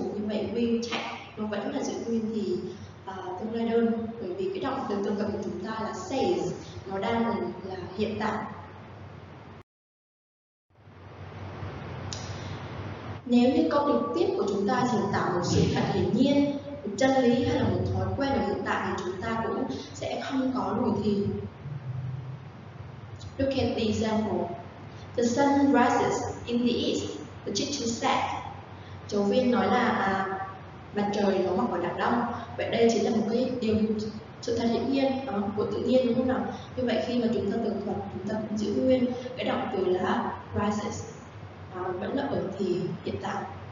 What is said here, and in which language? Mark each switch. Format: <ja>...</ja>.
<vi>Như vậy will take nó vẫn là giữ nguyên thì tương lai đơn, bởi vì cái động từ tương cập của chúng ta là says, nó đang là hiện tại. Nếu như câu trực tiếp của chúng ta chỉ tạo một sự thật hiển nhiên, một chân lý hay là một thói quen ở hiện tại thì chúng ta cũng sẽ không có lùi thì.</vi> <en>Look at the example. The sun rises in the east, the teacher said.</en> <vi>Giáo viên nói là mặt trời nó mọc ở Đắk Nông. Vậy đây chính là một cái điều sự thật hiển nhiên của tự nhiên, đúng không nào? Như vậy khi mà chúng ta tường thuật, chúng ta cũng giữ nguyên cái động từ là rises, vẫn là ở thì hiện tại.</vi>